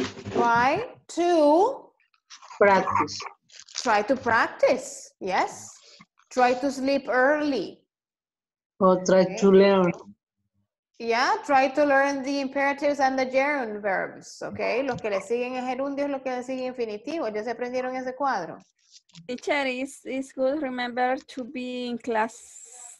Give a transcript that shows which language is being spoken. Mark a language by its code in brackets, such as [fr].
[en] Try to practice. Try to practice. Yes. Try to sleep early. Or try to learn. Yeah. Try to learn the imperatives and the gerund verbs. Okay. [es] Los que le siguen es gerundio, los que le siguen infinitivo. Ya se aprendieron ese cuadro. [en] Teacher, it's good, remember to be in class